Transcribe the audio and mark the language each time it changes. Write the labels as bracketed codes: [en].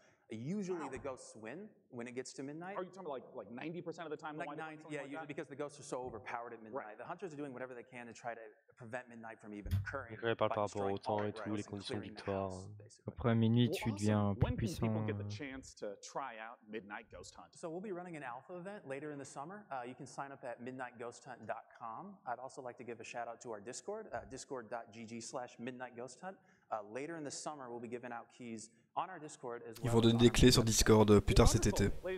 [en] Usually the ghosts win when it gets to midnight. Are you talking about like 90% of the time? Usually because the ghosts are so overpowered at midnight. Right. The hunters are doing whatever they can to try to prevent midnight from even occurring. [fr] Je parle par rapport au temps et tout, les conditions de victoire. Après minuit, tu deviens plus puissant. [en] When people get the chance to try out midnight ghost hunt. So we'll be running an alpha event later in the summer. You can sign up at midnightghosthunt.com. I'd also like to give a shout out to our Discord, discord.gg/midnightghosthunt. Later in the summer, we'll be giving out keys. [fr] Ils vont donner des clés sur Discord plus tard cet été.